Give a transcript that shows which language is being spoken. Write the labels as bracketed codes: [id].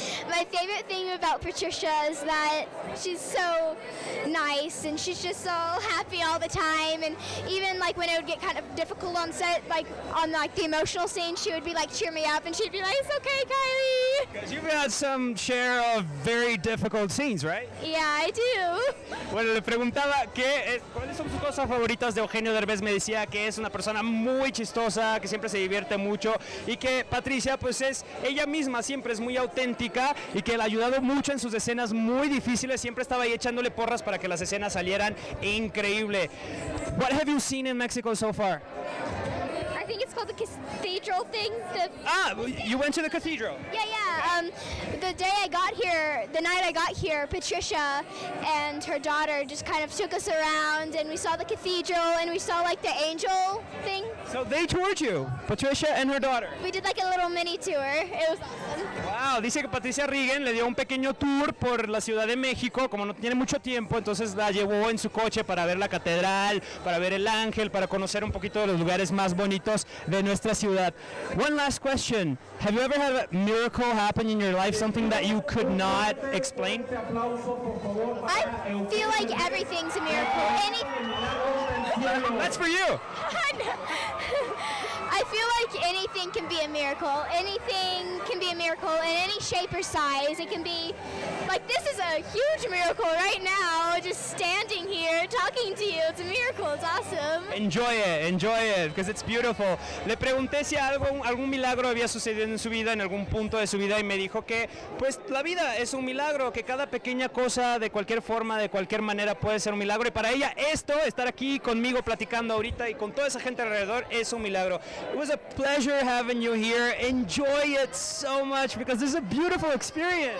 [en] My favorite thing about Patricia is that she's so nice, and she's just so happy all the time. And even like when it would get kind of difficult on set, like on like the emotional scene, she would be like, cheer me up, and she'd be like, it's okay, Kylie. Because you've had some share of very difficult scenes, right? Yeah, I do. [es] Bueno, le preguntaba cuáles son sus cosas favoritas de Eugenio Derbez. Me decía que es una persona muy chistosa, que siempre se divierte mucho, y que Patricia, pues es ella misma, siempre es muy auténtica, y que le ha ayudado mucho en sus escenas muy difíciles. Siempre estaba ahí echándole porras para que las escenas salieran increíble. [en] What have you seen in Mexico so far? I think it's called the cathedral thing. You went to the cathedral. Yeah, yeah. The night I got here, Patricia and her daughter just kind of took us around, and we saw the cathedral, and we saw like the angel thing. So they toured you, Patricia and her daughter. We did like a little mini tour. It was awesome. Wow. [es] Dice que Patricia Regan le dio un pequeño tour por la Ciudad de México, como no tiene mucho tiempo, entonces la llevó en su coche para ver la catedral, para ver el ángel, para conocer un poquito de los lugares más bonitos de nuestra ciudad. [en] One last question. Have you ever had a miracle happen in your life, something that you could not explain? I feel like everything's a miracle. That's for you. I feel like anything can be a miracle. Anything can be a miracle in any shape or size. It can be, like, this is a huge miracle right now, just standing here talking to you. It's a miracle. It's awesome. Enjoy it, because it's beautiful. [es] Le pregunté si algún milagro había sucedido en su vida, en algún punto de su vida, y me dijo que, pues, la vida es un milagro, que cada pequeña cosa, de cualquier forma, de cualquier manera, puede ser un milagro. Y para ella, esto, estar aquí conmigo platicando ahorita y con toda esa gente alrededor, es un milagro. [en] It was a pleasure having you here. Enjoy it so much because this is a beautiful experience.